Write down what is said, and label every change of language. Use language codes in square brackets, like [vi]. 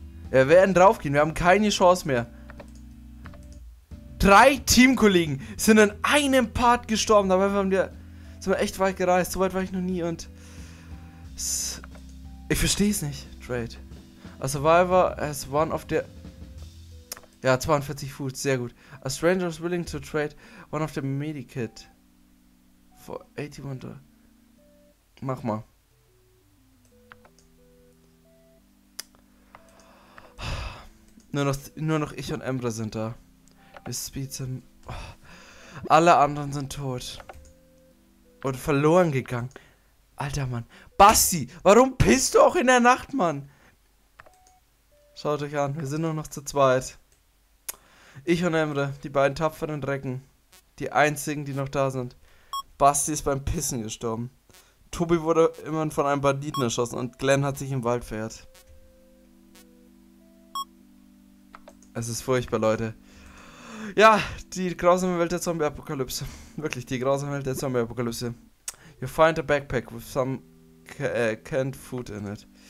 [de] Wir werden draufgehen. Wir haben keine Chance mehr. Drei Teamkollegen sind in einem Part gestorben. Dabei sind wir echt weit gereist. So weit war ich noch nie und ich verstehe es nicht. [en] Trade. A survivor has one of the. Ja, 42 Foods. [de] Sehr gut. [en] A stranger is willing to trade one of the medikit. For 81. [de] Mach mal. Nur noch ich und Embra sind da. Wir speeden. Alle anderen sind tot. Und verloren gegangen. Alter Mann. Basti, warum pisst du auch in der Nacht, Mann? Schaut euch an, wir sind nur noch zu zweit. Ich und Embra, die beiden tapferen Recken. Die einzigen, die noch da sind. Basti ist beim Pissen gestorben. Tobi wurde immerhin von einem Banditen erschossen und Glenn hat sich im Wald verirrt. Es ist furchtbar, Leute. Ja, die grausame Welt der Zombie-Apokalypse. Wirklich, die grausame Welt der Zombie-Apokalypse. [en] You find a backpack with some canned food in it.